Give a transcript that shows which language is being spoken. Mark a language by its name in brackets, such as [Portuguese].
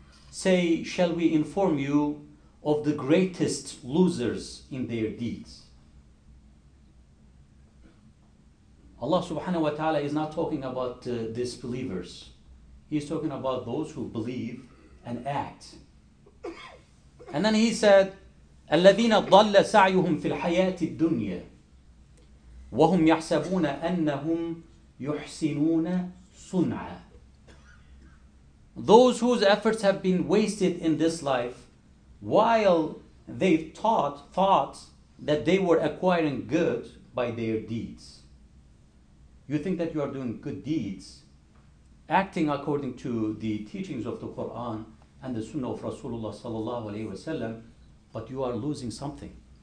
[English] Say, shall we inform you of the greatest losers in their deeds? Allah subhanahu wa ta'ala is not talking about disbelievers. He is talking about those who believe and act. And then he said, [Arabic] الَّذِينَ ضَلَّ سَعْيُهُمْ فِي الْحَيَاةِ الدُّنْيَا وَهُمْ يَحْسَبُونَ أَنَّهُمْ يُحْسِنُونَ صُنْعَ. [English] Those whose efforts have been wasted in this life, while they thought that they were acquiring good by their deeds. You think that you are doing good deeds, acting according to the teachings of the Quran and the Sunnah of Rasulullah sallallahu alaihi wasallam, but you are losing something.